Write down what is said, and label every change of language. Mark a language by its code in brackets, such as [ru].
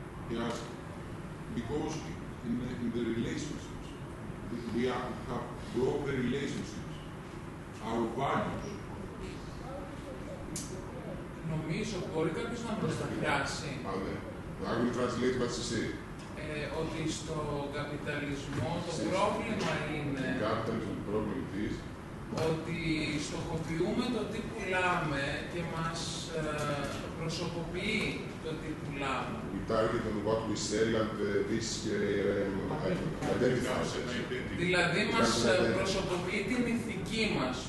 [en] Yes, because in the relationships, we have broken the relationships, our values. [el] Νομίζω μπορεί κάποιος να προσταθιάσει. [en] I will translate what you say. [el] Ότι στο καπιταλισμό το πρόβλημα είναι... [en] The capitalism problem is... [el] Ότι στοχοποιούμε το τι πουλάμε και μας προσωποποιεί το τι πουλάμε. [en] We target on what we sell and this identifies. [el] Δηλαδή μας προσωποποιεί την ηθική μας.